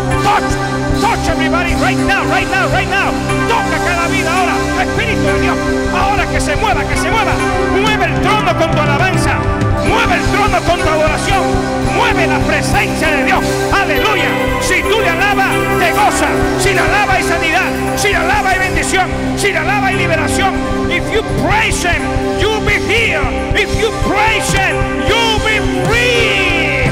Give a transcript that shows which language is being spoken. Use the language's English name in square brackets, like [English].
[English] Touch, touch everybody right now, right now, right now. [Spanish] Toca cada vida ahora, Espíritu de Dios. Ahora que se mueva, mueve el trono con tu alabanza. Mueve el trono con tu adoración. Mueve la presencia de Dios. Aleluya. Si tú le alabas, te goza. Si le alabas, hay sanidad. Si le alabas, hay bendición. Si le alabas, hay liberación. [English] If you praise Him, you'll be healed. If you praise Him, you'll be free.